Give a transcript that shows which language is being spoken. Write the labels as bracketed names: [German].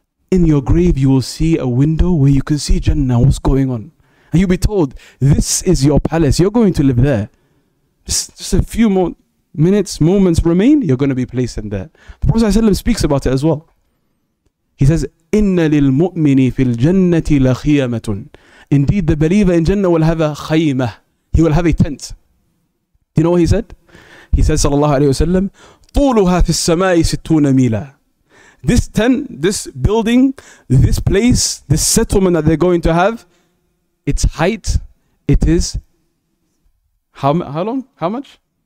[English] In your grave, you will see a window where you can see Jannah, what's going on. And you'll be told, this is your palace, you're going to live there. Just a few more minutes, moments remain, you're going to be placed in there. The Prophet ﷺ speaks about it as well. He says, [Arabic] إِنَّ لِلْمُؤْمِنِ فِي الْجَنَّةِ لَخِيَمَةٌ. [English] Indeed, the believer in Jannah will have a khaymah. He will have a tent. Do you know what he said? He says, [Arabic] sallallahu alayhi wa sallam, طُولُهَا فِي السَّمَاءِ سِتُونَ مِيلًا. [English] This tent, this building, this place, this settlement that they're going to have, its height, it is, how long? How much?